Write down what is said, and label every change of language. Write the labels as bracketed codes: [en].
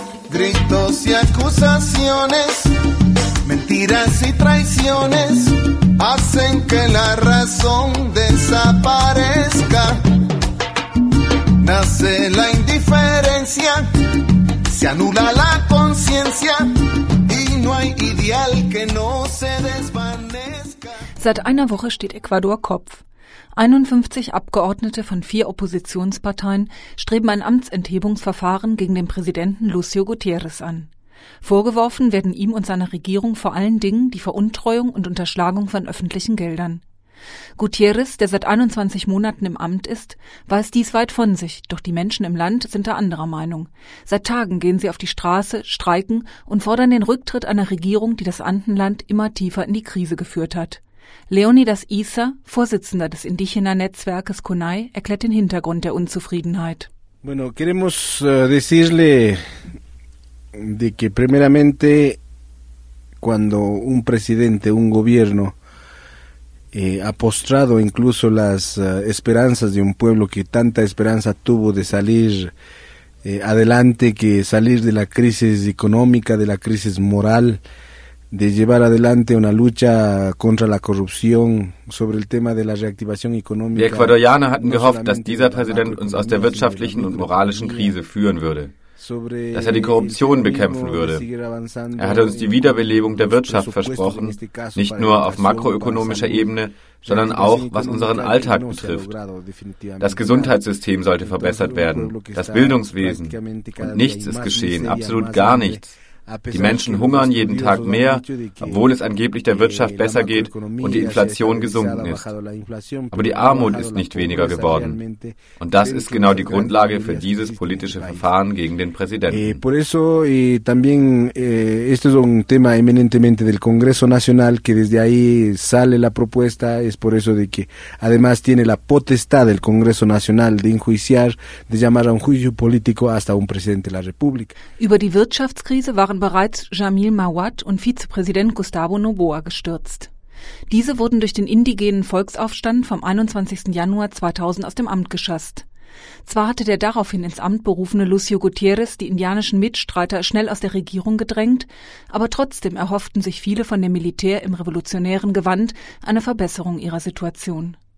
[es] Gritos y acusaciones, mentiras y traiciones hacen que la razón desaparezca. Nace la indiferencia, se anula la conciencia y no hay ideal que no se desvanezca. [de] Seit einer Woche steht Ecuador Kopf. 51 Abgeordnete von 4 Oppositionsparteien streben ein Amtsenthebungsverfahren gegen den Präsidenten Lucio Gutierrez an. Vorgeworfen werden ihm und seiner Regierung vor allen Dingen die Veruntreuung und Unterschlagung von öffentlichen Geldern. Gutierrez, der seit 21 Monaten im Amt ist, weiß dies weit von sich, doch die Menschen im Land sind da anderer Meinung. Seit Tagen gehen sie auf die Straße, streiken und fordern den Rücktritt einer Regierung, die das Andenland immer tiefer in die Krise geführt hat. Leonidas Issa, Vorsitzender des indigenen Netzwerkes CONAI, erklärt den Hintergrund der Unzufriedenheit. [es] Bueno, queremos decirle de que primeramente cuando un presidente, un gobierno ha postrado incluso las esperanzas de un pueblo que tanta esperanza tuvo de salir adelante, que salir de la crisis económica, de la crisis moral, de llevar adelante una lucha contra la corrupción sobre el tema de la reactivación económica. [de] Die Ecuadorianer hatten gehofft, dass dieser Präsident uns aus der wirtschaftlichen und moralischen Krise führen würde, dass er die Korruption bekämpfen würde. Er hat uns die Wiederbelebung der Wirtschaft versprochen, nicht nur auf makroökonomischer Ebene, sondern auch, was unseren Alltag betrifft. Das Gesundheitssystem sollte verbessert werden, das Bildungswesen, und nichts ist geschehen, absolut gar nichts. Die Menschen hungern jeden Tag mehr, obwohl es angeblich der Wirtschaft besser geht und die Inflation gesunken ist. Aber die Armut ist nicht weniger geworden. Und das ist genau die Grundlage für dieses politische Verfahren gegen den Präsidenten. [es] Por eso y también esto es un tema eminentemente del Congreso Nacional que desde ahí sale la propuesta, es por eso de que además tiene la potestad del Congreso Nacional de enjuiciar, de llamar a un juicio político hasta un presidente de la República. [de] Über die Wirtschaftskrise waren bereits Jamil Mawad und Vizepräsident Gustavo Noboa gestürzt. Diese wurden durch den indigenen Volksaufstand vom 21. Januar 2000 aus dem Amt geschasst. Zwar hatte der daraufhin ins Amt berufene Lucio Gutierrez die indianischen Mitstreiter schnell aus der Regierung gedrängt, aber trotzdem erhofften sich viele von dem Militär im revolutionären Gewand eine Verbesserung ihrer Situation.